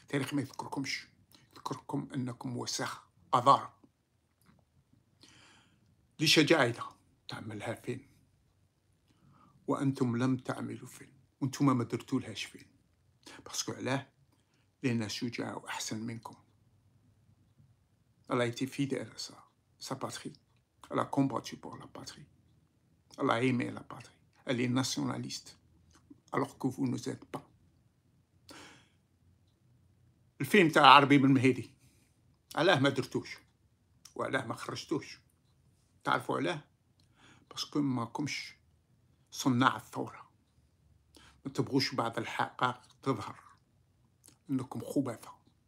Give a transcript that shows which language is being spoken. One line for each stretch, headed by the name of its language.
Arabic: التاريخ ما يذكركمش، يذكركم انكم وسخ قذارة. لشجاعتها تعملها فين وانتم لم تعملوا فين، وانتم ما درتو لهاش فين، باسكو علاه؟ لان شجاع احسن منكم.
French: Elle a été fidèle à ça, sa patrie. Elle a combattu pour la patrie. Elle a aimé la patrie. Elle est nationaliste, alors que vous ne êtes pas. Le film
Arabic: تاع عربي بن مهيدي. علاه ما درتوش؟ وعلاه ما خرجتوش؟ تعرفوا علاه؟ باسكو ما كومش صناع الثورة. ما تبغوش بعض الحقائق تظهر. أنكم خبثاء.